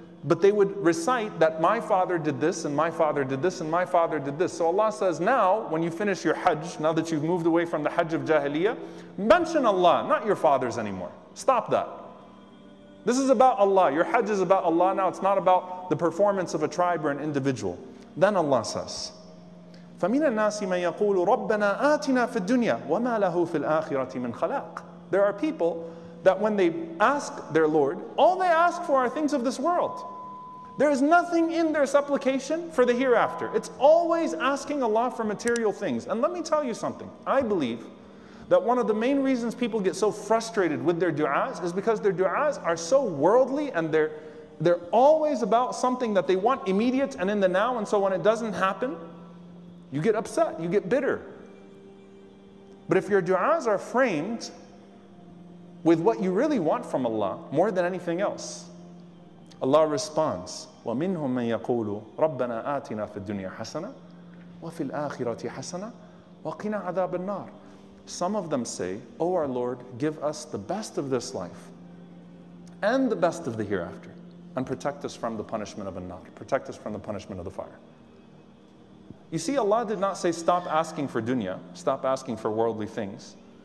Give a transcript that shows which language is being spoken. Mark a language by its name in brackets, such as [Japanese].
[English] But they would recite that my father did this, and my father did this, and my father did this. So Allah says, now when you finish your Hajj, now that you've moved away from the Hajj of Jahiliyyah, mention Allah, not your fathers anymore. Stop that. This is about Allah. Your Hajj is about Allah now. It's not about the performance of a tribe or an individual. Then Allah says, [Arabic] فَمِنَ النَّاسِ مَنْ يَقُولُ رَبَّنَا آتِنَا فِي الدُّنْيَا وَمَا لَهُ فِي الْآخِرَةِ مِنْ خَلَاقٍ. [English] There are people that when they ask their Lord, all they ask for are things of this world. There is nothing in their supplication for the hereafter. It's always asking Allah for material things. And let me tell you something. I believe that one of the main reasons people get so frustrated with their du'as is because their du'as are so worldly, and they're always about something that they want immediate and in the now. And so when it doesn't happen, you get upset, you get bitter. But if your du'as are framed with what you really want from Allah more than anything else. Allah responds, [Arabic] وَمِنْهُمْ مَنْ يَقُولُ رَبَّنَا آتِنَا فِي الدُّنْيَا حَسَنَةً وَفِي الْآخِرَةِ حَسَنَةً وَقِنَا عَذَابَ النَّارِ. [English] Some of them say, O our Lord, give us the best of this life and the best of the hereafter, and protect us from the punishment of an-nar, protect us from the punishment of the fire. You see, Allah did not say, stop asking for dunya, stop asking for worldly things.